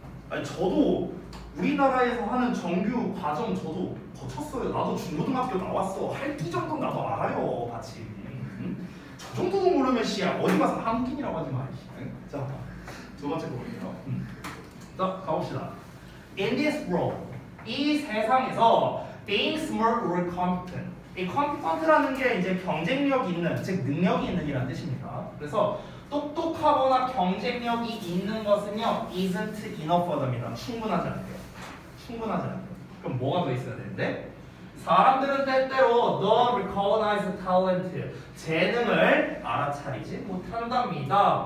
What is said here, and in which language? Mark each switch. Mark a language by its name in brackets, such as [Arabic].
[Korean] 아니, 저도 우리나라에서 하는 정규 과정 저도 거쳤어요. 나도 중고등학교 나왔어. 할기 정도 나도 알아요, 마침. 저 정도도 모르면, 씨, 어디 가서 한국인이라고 하지 마, 씨. 자. 두 번째 부분이요. 자, 가봅시다. [English] In this world, [Korean] 이 세상에서 [English] being smart or competent. [Korean] 이 competent라는 게 이제 경쟁력 있는, 즉 능력이 있는이라는 뜻입니다. 그래서 똑똑하거나 경쟁력이 있는 것은요, [English] isn't enough for them [Korean] 이다. 충분하지 않대요. 충분하지 않대요. 그럼 뭐가 더 있어야 되는데? 사람들은 때때로 [English] don't recognize talent, [Korean] 재능을 알아차리지 못한답니다.